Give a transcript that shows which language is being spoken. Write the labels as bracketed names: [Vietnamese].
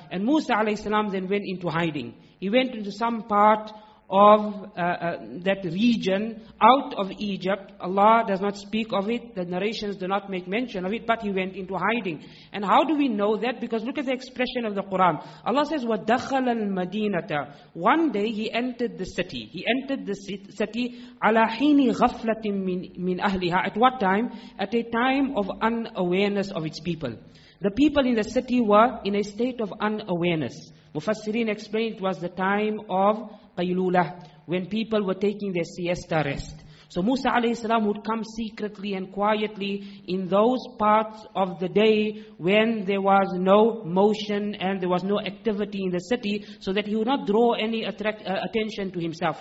[English] And Musa alayhi salam then went into hiding. He went into some part of that region out of Egypt. Allah does not speak of it, the narrations do not make mention of it, but he went into hiding. And how do we know that? Because look at the expression of the Quran. Allah says, [Arabic] وَدَخَلَ الْمَدِينَةَ. [English] One day he entered the city. He entered the city, [Arabic] عَلَى حِينِ غَفْلَةٍ مِّنْ أَهْلِهَا. [English] At what time? At a time of unawareness of its people. The people in the city were in a state of unawareness. Mufassirin explained it was the time of Qaylulah, when people were taking their siesta rest. So Musa alayhi salam would come secretly and quietly in those parts of the day when there was no motion and there was no activity in the city, so that he would not draw any attention to himself.